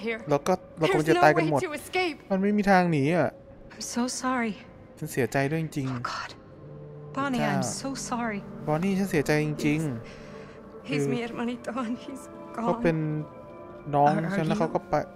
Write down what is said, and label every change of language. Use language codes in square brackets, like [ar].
[th] เราก็จะตายกันหมดมันไม่มีทางหนีอ่ ะ [en] I'm so sorry [th] ฉันเสียใจด้วยจริง [en] ๆ God Bonnie I'm so sorry [th] Bonnie ฉันเสียใจจริง [en] ๆ He's my hermanito he's gone [th] เขาเป็นน้องฉันแล้วเขาก็ไป